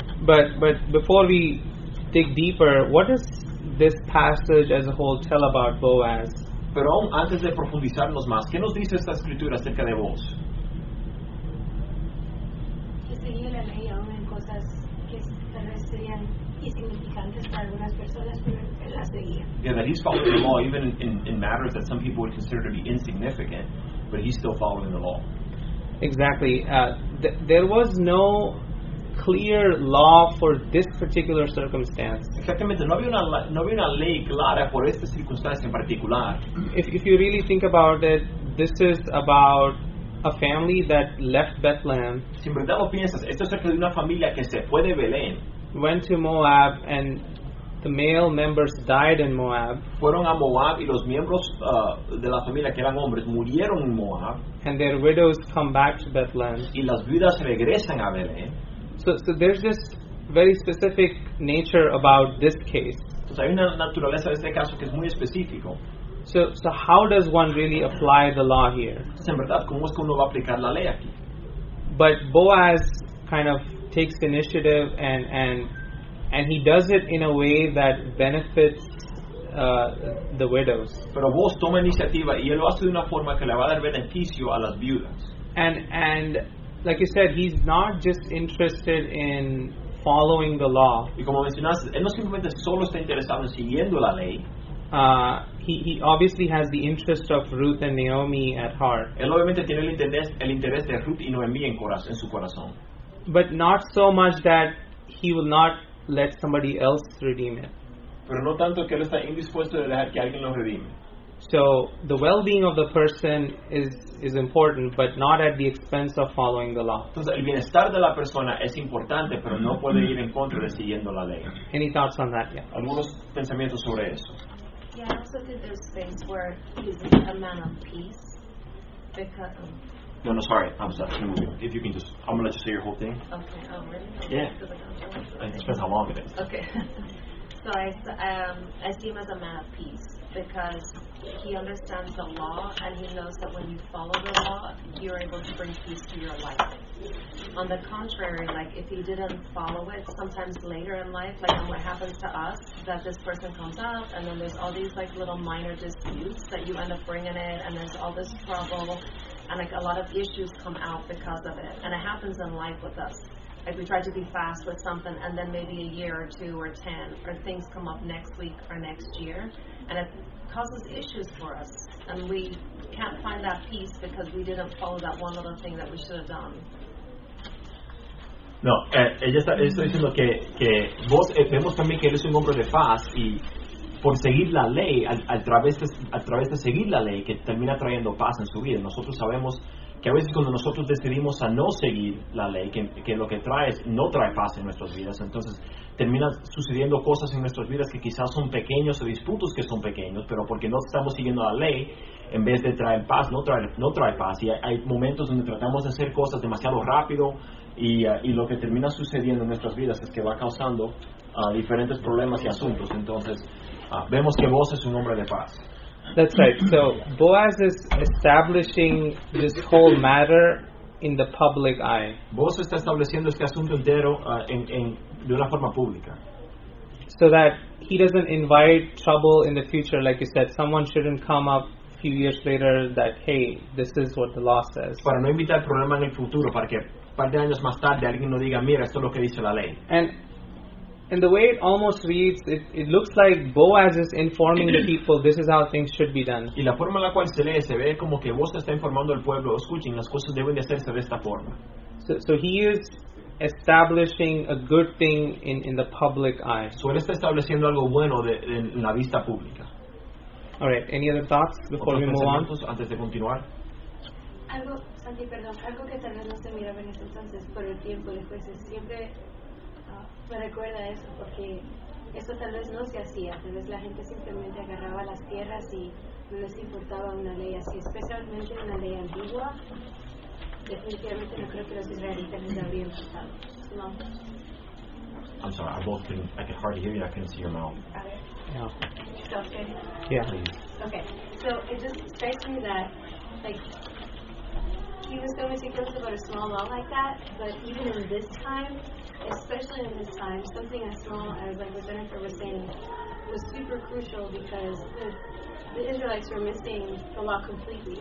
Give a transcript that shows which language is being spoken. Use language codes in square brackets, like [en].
[en] But before we dig deeper, what does this passage as a whole tell about Boaz? [es] Pero aún antes de profundizarnos más, ¿qué nos dice esta escritura acerca de vos? Que seguía la ley aún en cosas que serían insignificantes para algunas personas, pero él las seguía. [en] Yeah, that he's following the law even in matters that some people would consider to be insignificant, but he's still following the law. Exactly. There was no clear law for this particular circumstance. [es] Exactamente, no había una ley clara por esta circunstancia en particular. [en] If you really think about it, this is about a family that left Bethlehem. [es] Si en verdad lo piensas, esto es acerca de una familia que se fue de Belén. [en] Went to Moab and the male members died in Moab. [es] Fueron a Moab y los miembros de la familia que eran hombres murieron en Moab. [en] And their widows come back to Bethlehem. [es] Y las viudas regresan a Belén. [en] So there's this very specific nature about this case. [es] Entonces, hay una naturaleza de este caso que es muy específico. [en] So how does one really apply the law here? [es] Entonces, en verdad, ¿cómo es que uno va a aplicar la ley aquí? [en] But Boaz kind of takes the initiative and he does it in a way that benefits the widows. [es] Pero Boaz toma iniciativa y él lo hace de una forma que le va a dar beneficio a las viudas. [en] And like you said, he's not just interested in following the law. [es] Y como mencionaste, él no simplemente solo está interesado en siguiendo la ley. [en] He obviously has the interest of Ruth and Naomi at heart. [es] Él obviamente tiene el interés de Ruth y Noemí en su corazón. [en] But not so much that he will not let somebody else redeem it. [es] Pero no tanto que él está indispuesto de dejar que alguien lo redime. [en] So the well-being of the person is important, but not at the expense of following the law. [es] Entonces, el bienestar de la persona es importante, pero no puede ir en contra de siguiendo la ley. [en] Any thoughts on that? Yeah. [es] ¿Algunos pensamientos sobre eso? [en] Yeah, I also think there's things where he's a man of peace. Because No, sorry. If you can just, I'm going to let you say your whole thing. Okay, really? Yeah. It depends how long it is. Okay. So I see him as a man of peace because he understands the law and he knows that when you follow the law, you're able to bring peace to your life. On the contrary, like if you didn't follow it, sometimes later in life, like what happens to us, that this person comes up and then there's all these like little minor disputes that you end up bringing in and there's all this trouble and like a lot of issues come out because of it. And it happens in life with us. Like we try to be fast with something and then maybe a year or two or ten or things come up next week or next year and it causes issues for us and we can't find that peace because we didn't follow that one little thing that we should have done. [es] No, ella está diciendo que vos, vemos también que eres un hombre de paz y por seguir la ley, a través de seguir la ley que termina trayendo paz en su vida. Nosotros sabemos que a veces cuando nosotros decidimos a no seguir la ley, que lo que trae es, no trae paz en nuestras vidas, entonces terminan sucediendo cosas en nuestras vidas que quizás son pequeños o disputos que son pequeños, pero porque no estamos siguiendo la ley, en vez de traer paz, no trae paz. Y hay momentos donde tratamos de hacer cosas demasiado rápido y lo que termina sucediendo en nuestras vidas es que va causando diferentes problemas y asuntos. Entonces, vemos que vos es un hombre de paz. [en] That's right. So Boaz is establishing this whole matter in the public eye. [es] Boaz está estableciendo este asunto entero en de una forma pública. [en] So that he doesn't invite trouble in the future, like you said, someone shouldn't come up a few years later that hey, this is what the law says. [es] Para no invitar problemas en el futuro, para que un par de años más tarde alguien no diga, mira, esto es lo que dice la ley. [en] And the way it almost reads, it looks like Boaz is informing the people, this is how things should be done. [es] Y la forma en la cual se lee, se ve como que Boaz está informando al pueblo, escuchen, las cosas deben de hacerse de esta forma. [en] So he is establishing a good thing in the public eye. [es] So él está estableciendo algo bueno en la vista pública. [en] All right. Any other thoughts before we move on? [es] Antes de continuar. Algo, Santi, perdón, algo que tal vez no se miraba en ese entonces, pero el tiempo después es siempre me recuerda eso, porque eso tal vez no se hacía, tal vez la gente simplemente agarraba las tierras y no les importaba una ley así, especialmente una ley antigua. Definitivamente no creo que los israelitas les habrían pasado. No. [en] I'm sorry, I both didn't, I can hardly hear you, I couldn't see your mouth. Okay. Yeah. Okay. Yeah. Okay. So it just strikes me that, like, he was going to see things about a small law like that, but even in this time, especially in this time, something as small as, like what Jennifer was saying, was super crucial because the Israelites were missing the law completely.